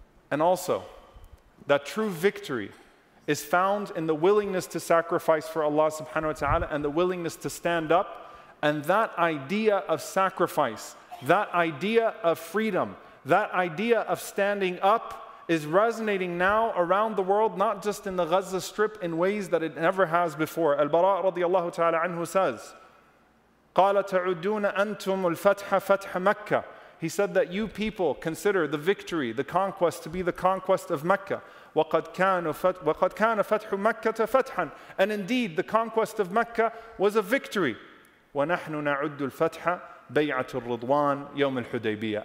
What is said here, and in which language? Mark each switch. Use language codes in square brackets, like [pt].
[en] And also, that true victory is found in the willingness to sacrifice for Allah subhanahu wa ta'ala and the willingness to stand up. And that idea of sacrifice, that idea of freedom, that idea of standing up is resonating now around the world, not just in the Gaza Strip, in ways that it never has before. Al-Bara' radiallahu ta'ala anhu says, [ar] قَالَ تَعُدُّونَ أَنْتُمُ الْفَتْحَ فَتْحَ مَكَّةَ, [en] He said that you people consider the victory, the conquest, to be the conquest of Mecca. [ar] وَقَدْ كَانَ فَتْحُ مَكَّةَ فَتْحًا. [en] And indeed, the conquest of Mecca was a victory. [ar] وَنَحْنُ نَعُدُّ الْفَتْحَ بَيْعَةُ الرِّضْوَانِ يَوْمِ الْحُدَيْبِيَةِ.